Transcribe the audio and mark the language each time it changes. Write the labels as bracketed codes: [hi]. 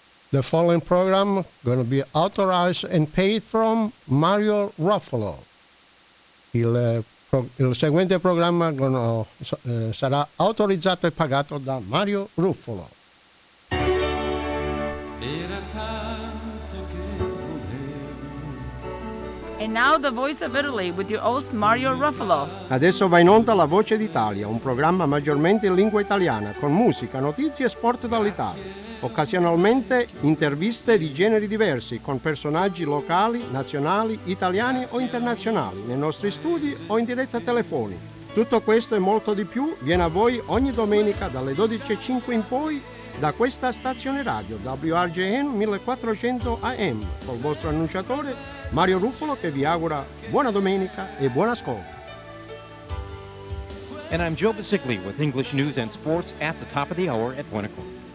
[en] The following program going to be authorized and paid from Mario Ruffalo. [it] Il seguente programma sarà autorizzato e pagato da Mario Ruffalo. Era tanto che volevo. [en] And now the voice of Italy with your host Mario Ruffalo. [it] Adesso va in onda La Voce d'Italia, un programma maggiormente in lingua italiana, con musica, notizie e sport dall'Italia. Occasionalmente interviste di generi diversi con personaggi locali, nazionali, italiani o internazionali, nei nostri studi o in diretta telefonica. Tutto questo e molto di più viene a voi ogni domenica dalle 12.05 in poi da questa stazione radio WRGN 1400 AM col vostro annunciatore Mario Ruffalo che vi augura buona domenica e buon ascolto. [en] And I'm Joe Vesicoli with English News and Sports at the top of the hour at 1 o'clock.